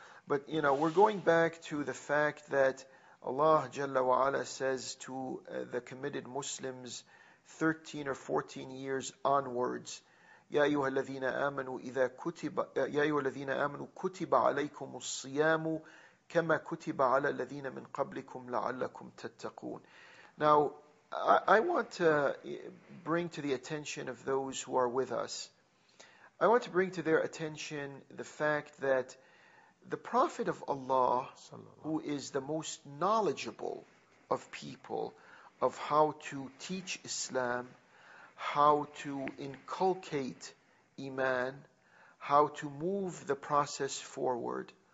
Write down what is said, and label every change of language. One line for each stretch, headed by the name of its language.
English: But, you know, we're going back to the fact that Allah Jalla wa Ala says to the committed Muslims 13 or 14 years onwards,
Arabic: يا أيها الذين آمنوا إذا كتب يا أيها الذين آمنوا كتب عليكم الصيام كما كتب على الذين من قبلكم لعلكم تتقون.
English: Now, I want to bring to the attention of those who are with us, I want to bring to their attention the fact that the Prophet of Allah, who is the most knowledgeable of people of how to teach Islam, how to inculcate Iman, how to move the process forward,